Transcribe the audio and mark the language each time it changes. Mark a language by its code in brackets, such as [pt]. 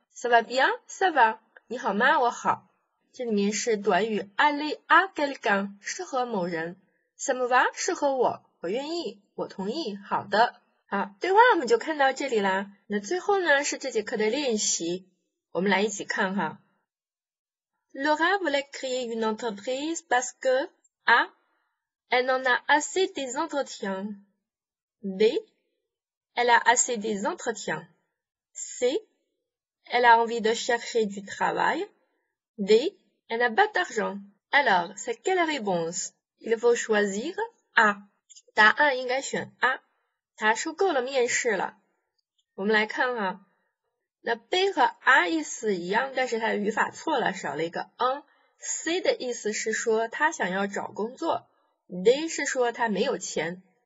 [fr] ça va bien? ça va? 你好吗我好。 [zh] 这里面是短语 aller à quelqu'un, 适合某人。 [fr] ça me va? [zh] 适合我我愿意我同意好的。好对话我们就看到这里啦。那最后呢是这节课的练习。我们来一起看哈。 [fr] Laura voulait créer une entreprise parce que, A, elle en a assez des entretiens. B. Elle a assez des entretiens. C. Elle a envie de chercher du travail. D. Elle n'a pas d'argent. Alors, c'est quelle réponse? Il faut choisir A. [zh] 答案应该选 A. 他受够了面试了。我们来看啊。那 B 和 A 意思一样但是他的语法错了少了一个 N. C 的意思是说他想要找工作。D 是说他没有钱。